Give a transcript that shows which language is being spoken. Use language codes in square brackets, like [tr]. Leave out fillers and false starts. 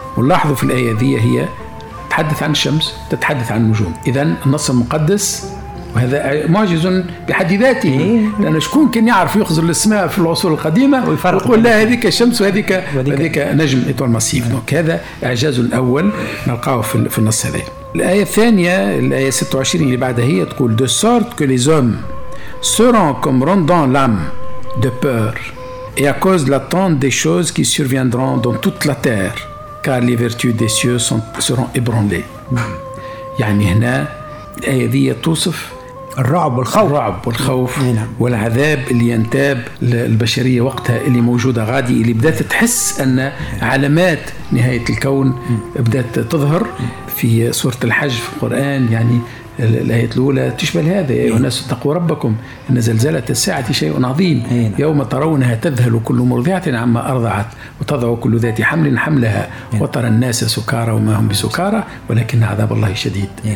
[ar] ولاحظوا في الآية ذي هي تتحدث عن الشمس تتحدث عن النجوم، إذن النص المقدس وهذا معجز بحد ذاته، لأن شكون كان يعرف يخزر للسماء في العصور القديمة ويقول لا هذيك الشمس وهذيك هذيك نجم إطول مسيف. هذا إعجاز الأول نلقاه في النص هذا. الآية الثانية الآية 26 اللي بعدها هي تقول [fr] de sorte que les hommes seront comme rendant l'âme de peur et à cause de l'attente des choses qui surviendront dans toute la terre car les vertus des cieux seront ébranlées. [ar] يعني هنا الآية دي توصف الرعب والخوف، الرعب والخوف والعذاب اللي ينتاب للبشرية وقتها اللي موجودة غادي، اللي بدأت تحس أن علامات نهاية الكون بدأت تظهر في سورة الحج في القرآن. يعني الآية الأولى تشمل هذا، يا أيها الناس اتقوا ربكم إن زلزلة الساعة شيء عظيم، يوم ترونها تذهل كل مرضعة عما أرضعت وتضع كل ذات حمل حملها وترى الناس سكارى وما هم بسكارى ولكن عذاب الله شديد.